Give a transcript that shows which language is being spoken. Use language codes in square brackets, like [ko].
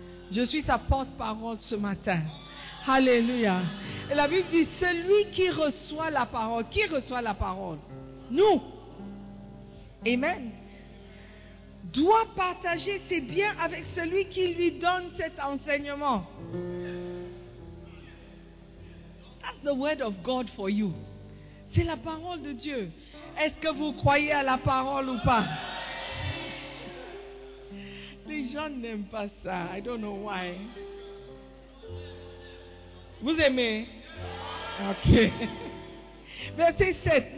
[fr] Je suis sa porte-parole ce matin. Alléluia. Et la Bible dit, celui qui reçoit la parole, qui reçoit la parole? Nous. Amen. Doit partager ses biens avec celui qui lui donne cet enseignement. [en] That's the word of God for you. [fr] C'est la parole de Dieu. Est-ce que vous croyez à la parole ou pas? Les gens n'aiment pas ça. [en] I don't know why. [fr] Vous aimez? Ok. Verset 7.